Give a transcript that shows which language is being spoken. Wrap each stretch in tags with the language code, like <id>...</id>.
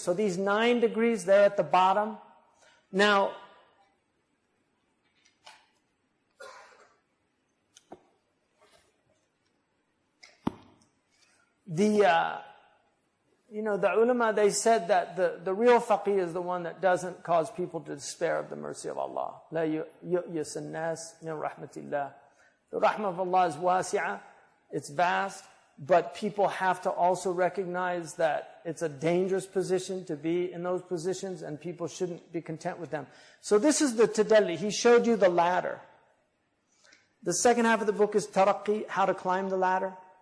<en>So these 9 degrees, they're at the bottom. Now, the ulama, they said that the real faqih is the one that doesn't cause people to despair of the mercy of Allah.</en> <ar>لا يؤيس الناس من رحمة الله.</ar> <en>The rahmah of Allah is wasi'a, it's vast, but people have to also recognize that it's a dangerous position to be in those positions, and people shouldn't be content with them. So this is the tadalli. He showed you the ladder. The second half of the book is taraqi, how to climb the ladder.</en>